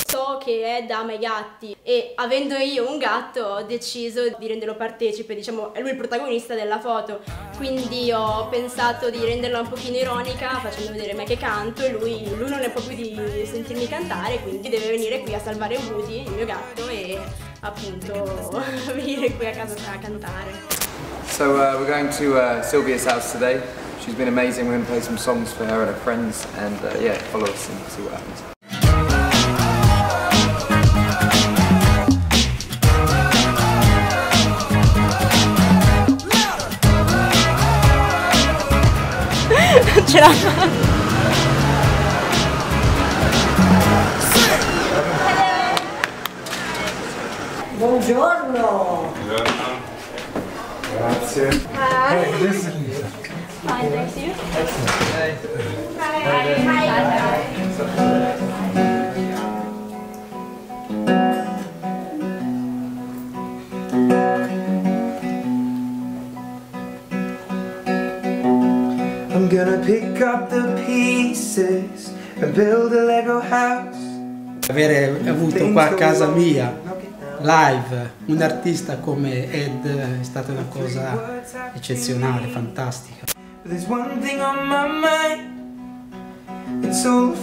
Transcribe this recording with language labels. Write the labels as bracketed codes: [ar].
[it] So che Ed ama i gatti e avendo io un gatto ho deciso di renderlo partecipe, diciamo è lui il protagonista della foto, quindi ho pensato di renderla un pochino ironica facendo vedere me che canto e lui non ne può più di sentirmi cantare, quindi deve venire qui a salvare Woody, il mio gatto, e appunto venire qui a casa a cantare. [en] So we're going to Sylvia's house today. She's been amazing, we're going to play some songs for her and her friends and yeah, follow us and see what happens. [it] Buongiorno. Grazie. [en] I'm gonna pick up the pieces and build a Lego house. [it] Avere avuto qua a casa mia live un artista come Ed è stata una cosa eccezionale, fantastica. [en] There's one thing on my mind, it's all